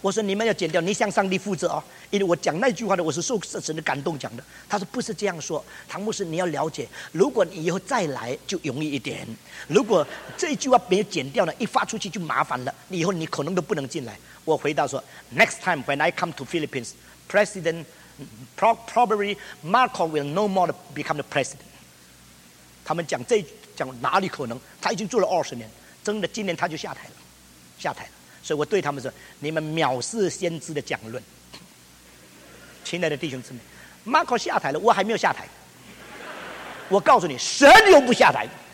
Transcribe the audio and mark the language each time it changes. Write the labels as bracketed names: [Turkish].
[Chinese] 我说：“你们要剪掉，你向上帝负责哦。” 因为我讲那句话的，我是受神的感动讲的。他说：“不是这样说，唐牧师，你要了解，如果你以后再来就容易一点，如果这一句话没有剪掉呢，一发出去就麻烦了，以后你可能都不能进来。” 我回答说 [English] ：“Next time when I come to Philippines, President.” Probably Marco will no more become the president. [Chinese] 他们讲这讲哪里可能？他已经做了20年，真的，今年他就下台了，下台了。所以我对他们说：“你们藐视先知的讲论。” 亲爱的弟兄姊妹 ，Marco 下台了，我还没有下台。我告诉你，神永不下台。